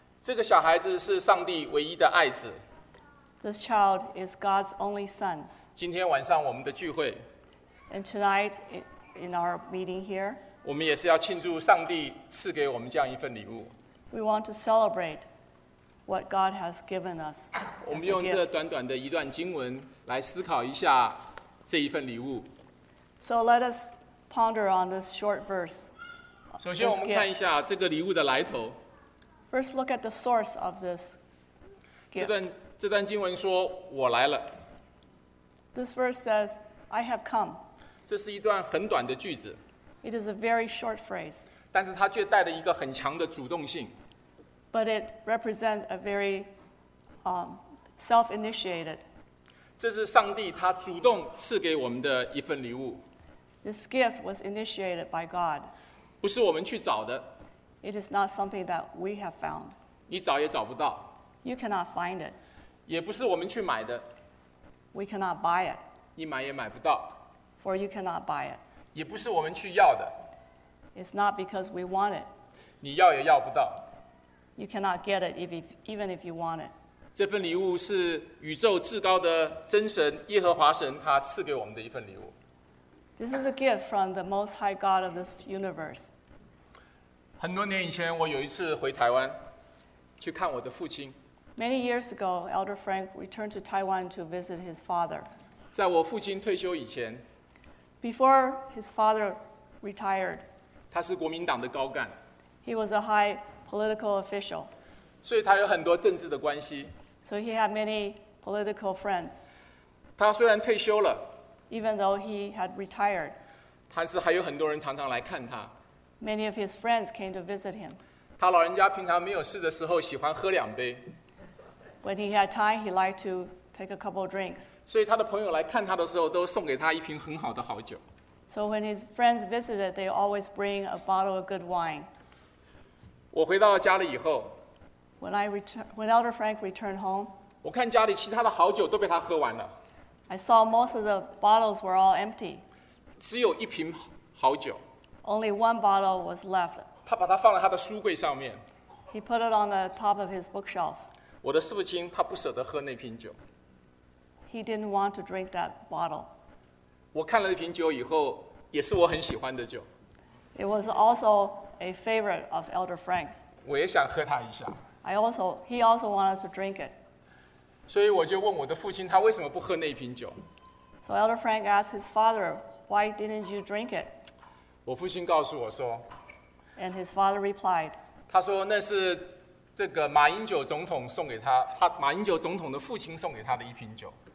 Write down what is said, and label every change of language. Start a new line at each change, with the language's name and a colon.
Chinese: 这个小孩子是上帝唯一的爱子。
English: This child is God's only son.
Chinese: 今天晚上我们的聚会。
English: And tonight in our meeting here.
Chinese: 我们也是要庆祝上帝赐给我们这样一份礼物。
English: We want to celebrate what God has given us.
Chinese: 我们用这短短的一段经文来思考一下这一份礼物。
English: So let us ponder on this short verse.
Chinese: 首先我们看一下这个礼物的来头。
English: First, look at the source of this gift.
Chinese: 这段经文说我来了。
English: This verse says, I have come.
Chinese: 这是一段很短的句子。
English: It is a very short phrase.
Chinese: 但是它却带着一个很强的主动性。
English: But it represents a very self-initiated.
Chinese: 这是上帝他主动赐给我们的一份礼物。
English: This gift was initiated by God.
Chinese: 不是我们去找的。
English: It is not something that we have found.
Chinese: 你找也找不到。
English: You cannot find it.
Chinese: 也不是我们去买的。
English: We cannot buy it.
Chinese: 你买也买不到。
English: For you cannot buy it.
Chinese: 也不是我们去要的。
English: It's not because we want it.
Chinese: 你要也要不到。
English: You cannot get it even if you want it.
Chinese: 这份礼物是宇宙至高的真神耶和华神他赐给我们的一份礼物。
English: This is a gift from the Most High God of this universe.
Chinese: 很多年以前，我有一次回台湾去看我的父亲。
English: Many years ago, Elder Frank returned to Taiwan to visit his father.
Chinese: 在我父亲退休以前
English: ，Before his father retired,
Chinese: 他是国民党的高干。
English: He was a high political official.
Chinese: 所以他有很多政治的关系。
English: So he had many political friends.
Chinese: 他虽然退休了。
English: Even though he had retired,
Chinese: 但是还有很多人常常来看他。
English: Many of his friends came to visit him.
Chinese: 他老人家平常没有事的时候喜欢喝两杯。
English: When he had time, he liked to take a couple of drinks.
Chinese: 所以他的朋友来看他的时候，都送给他一瓶很好的好酒。
English: So when his friends visited, they always bring a bottle of good wine.
Chinese: 我回到家里以后
English: When Elder Frank returned home,
Chinese: 我看家里其他的好酒都被他喝完了。
English: I saw most of the bottles were all empty.
Chinese: 只有一瓶好酒。
English: Only one bottle was left.
Chinese: 他把它放在他的书柜上面。
English: He put it on the top of his bookshelf.
Chinese: 我的父亲他不舍得喝那瓶酒。
English: He didn't want to drink that bottle.
Chinese: 我看了那瓶酒以后，也是我很喜欢的酒。
English: It was also a favorite of Elder Frank's.
Chinese: 我也想喝他一下。
English: He also wanted to drink it.
Chinese: 所以我就问我的父亲，他为什么不喝那瓶酒
English: ？So Elder Frank asked his father, "Why didn't you drink it?"
Chinese: 我父亲告诉我说
English: ，And his father replied,
Chinese: 他说那是这个马英九总统送给他马英九总统的父亲送给他的一瓶酒。